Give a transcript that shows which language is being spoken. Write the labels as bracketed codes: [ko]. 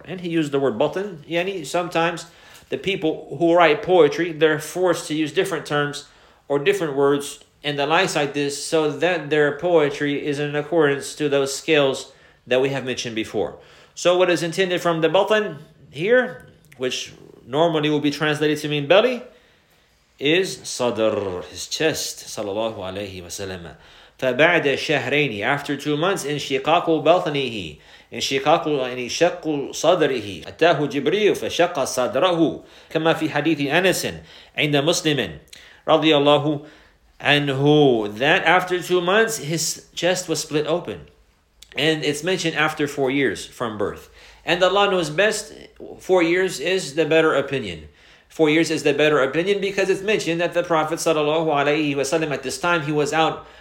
[en] And he used the word batn. Yani sometimes the people who write poetry, they're forced to use different terms or different words and the likes like this so that their poetry is in accordance to those scales that we have mentioned before. So what is intended from the batn here, which normally will be translated to mean belly, is sadr, his chest, sallallahu alayhi wa sallam. [ar] فَبَعْدَ شَهْرَيْنِ [en] after 2 months [ar] in شِقَاقُ بَطْنِهِ in شِقَاقُ شَقُّ صَدْرِهِ أَتَاهُ جِبْرِيُّ فَشَقَّ صَدْرَهُ كَمَا فِي حَدِيثِ أَنَسٍ عِنْدَ مُسْلِمٍ رَضِيَ اللَّهُ عَنْهُ. [en] That after 2 months his chest was split open, and it's mentioned after 4 years from birth. And Allah knows best. 4 years is the better opinion. 4 years is the better opinion because it's mentioned that the Prophet sallallahu alayhi wa sallam at this time he was out